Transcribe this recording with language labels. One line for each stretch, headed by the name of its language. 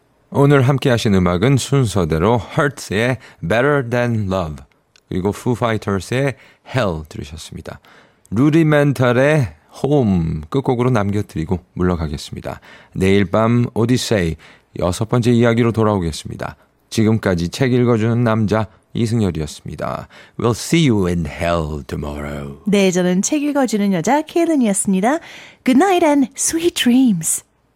Korean: 오늘 함께 하신 음악은 순서대로 Hurts의 Better Than Love 그리고 Foo Fighters의 Hell 들으셨습니다. 루디멘탈의 Home 끝곡으로 남겨드리고 물러가겠습니다. 내일 밤 오디세이 여섯 번째 이야기로 돌아오겠습니다. 지금까지 책 읽어주는 남자 이승열이었습니다.
English: We'll see you in hell tomorrow.
Korean: 네, 저는 책 읽어주는 여자 케일린이었습니다.
English: Good night and sweet dreams.